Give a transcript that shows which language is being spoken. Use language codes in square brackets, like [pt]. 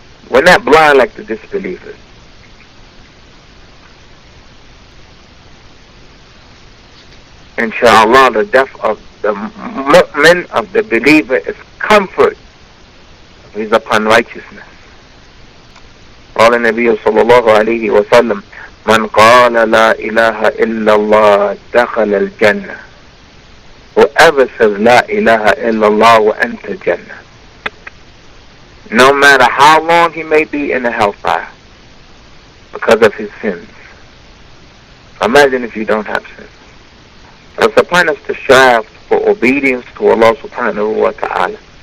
[en] We're not blind like the disbelievers. Inshallah, the death of the mu'min, of the believer, is comfort. He's upon righteousness. [ar] قال النبي صلى الله عليه وسلم, من قال لا إله إلا الله دخل الجنة. [en] Whoever says [ar] لا إله إلا الله وأنتر الجنة. [en] No matter how long he may be in the hellfire because of his sins. Imagine if you don't have sins. It's upon us to strive for obedience to Allah subhanahu wa ta'ala.